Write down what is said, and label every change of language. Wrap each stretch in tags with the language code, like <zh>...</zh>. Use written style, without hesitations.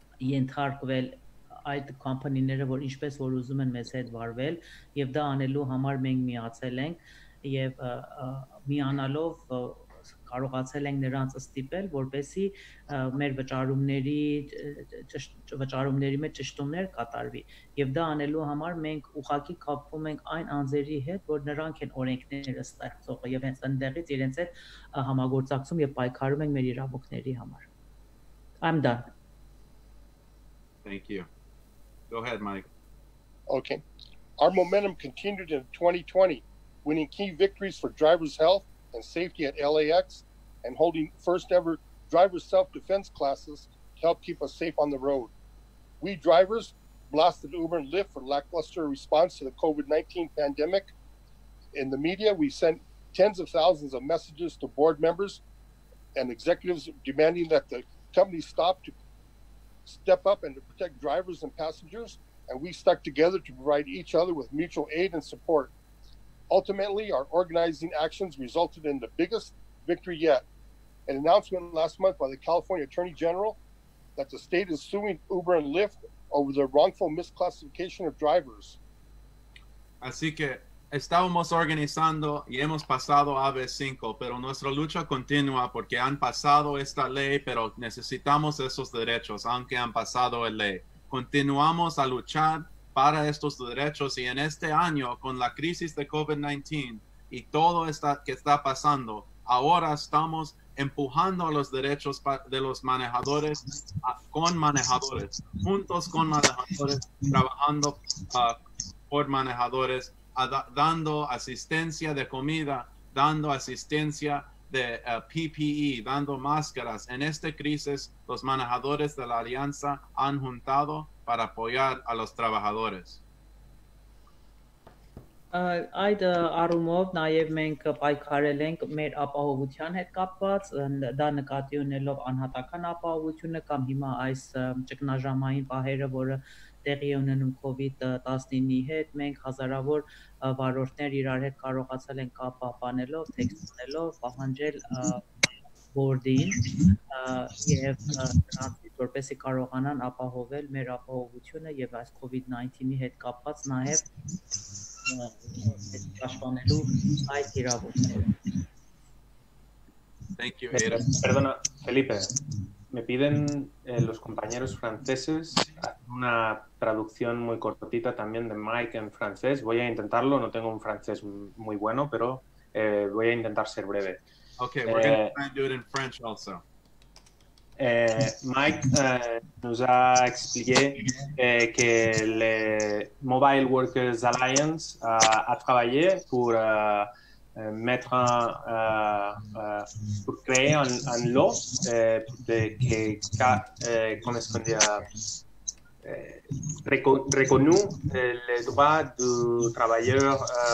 <hy>ենթարկվել այդ կոմպանիները, որ ինչպես որ ուզում են մեզ հետ վարվել եւ դա անելու համար մենք միացել ենք եւ միանալով կարողացել ենք նրանց ստիպել, որպեսի մեր վճարումների մեջ ճշտումներ կատարվի։ Եվ դա անելու համար մենք ուղղակի կապվում ենք այն անձերի հետ, որ նրանք են օրենքները ստեղծողը եւ հենց այնտեղից իրենց հետ համագործակցում եւ պայքարում ենք մեր իրավունքների համար։</hy> <en>I'm done. Thank you. Go ahead, Mike. Okay. Our momentum continued in 2020, winning key victories for drivers' health and safety at LAX and holding first ever driver self-defense classes to help keep us safe on the road. We drivers blasted Uber and Lyft for lackluster response to the COVID-19 pandemic. In the media, we sent tens of thousands of messages to board members and executives demanding that the company stop to step up and to protect drivers and passengers. And we stuck together to provide each other with mutual aid and support. Ultimately, our organizing actions resulted in the biggest victory yet. An announcement last month by the California Attorney General that the state is suing Uber and Lyft over the wrongful misclassification of drivers.</en> <es>Así que estábamos organizando y hemos pasado AB5, pero nuestra lucha continúa porque han pasado esta ley, pero necesitamos esos derechos, aunque han pasado la ley. Continuamos a luchar para estos derechos y en este año con la crisis de COVID-19 y todo esto que está pasando, ahora estamos empujando los derechos de los manejadores con manejadores, juntos con manejadores, trabajando por manejadores, dando asistencia de comida, dando asistencia de PPE, dando máscaras. En esta crisis, los manejadores de la alianza han juntado para apoyar a los trabajadores.</es> <hy>Այդ առումով նաև մենք պայքարել ենք մեր ապահովության հետ կապված, դա նկատի ունելով անհատական ապահովությունը կամ հիմա այս ճգնաժամային պահերը, որը տեղի ունենում COVID-19-ի հետ, մենք հազարավոր վարորդներ իրար հետ կարողացել ենք կապ պահպանելով, տեքստելով, պահանջել բորդին եւ նրանց որպեսի կարողանան ապահովել մեր ապահովությունը եւ այս COVID-19-ի հետ կապված նաեւ պաշտպանելու այդ իրավունքները։</hy> <en>Thank you, Ada.</en> <es>Perdona, Felipe. Me piden los compañeros franceses una traducción muy cortita también de Mike en francés. Voy a intentarlo, no tengo un francés muy bueno, pero voy a intentar ser breve.</es> <en>Ok, we're going to try and do it in French also.</en> <fr>Mike</fr> <es>nos ha</es> <fr>expliqué que le Mobile Workers Alliance</fr> <es>ha trabajé por</es> <fr>mettre un pour créer un law</fr> <es>de que</es> <fr>comme est-ce qu'on dit reconnu les droits du travailleur</fr>